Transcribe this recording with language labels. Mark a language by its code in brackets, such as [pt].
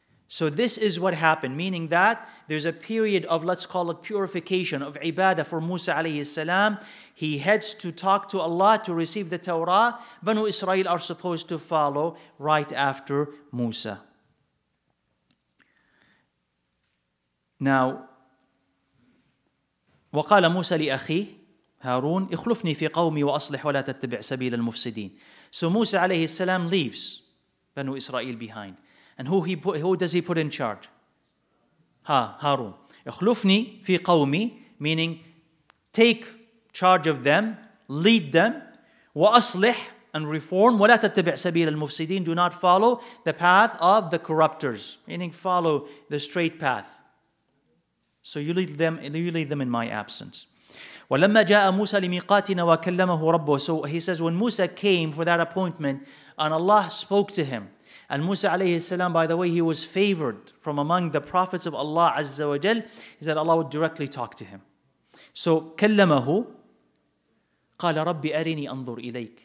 [en] So this is what happened, meaning that there's a period of, let's call it, purification of ibadah for Musa alayhi salam. He heads to talk to Allah to receive the Torah. Banu Israel are supposed to follow right after Musa. [ar] Now, وَقَالَ مُوسَى لِأَخِيهِ هَارُونَ اِخْلُفْنِي فِي قَوْمِي وَأَصْلِحْ وَلَا تَتَّبِعْ سَبِيلَ الْمُفْسِدِينَ. [en] So Musa alayhi salam leaves Banu Israel behind. And who does he put in charge? Harun. [ar] اخلفني في قومي, [en] meaning take charge of them, lead them, وأصلح, and reform. [ar] ولا تتبع سبيل المفسدين, [en] do not follow the path of the corruptors, meaning follow the straight path. So you lead them in my absence. [ar] ولما جاء موسى لميقاتنا وكلمه ربه. [en] So he says, when Musa came for that appointment and Allah spoke to him. And Musa alayhi salam, by the way, he was favored from among the prophets of Allah Azza wa Jal, is that Allah would directly talk to him. [ar] So, كَلَّمَهُ قَالَ رَبِّ أَرِنِي أَنظُرْ إِلَيْكَ.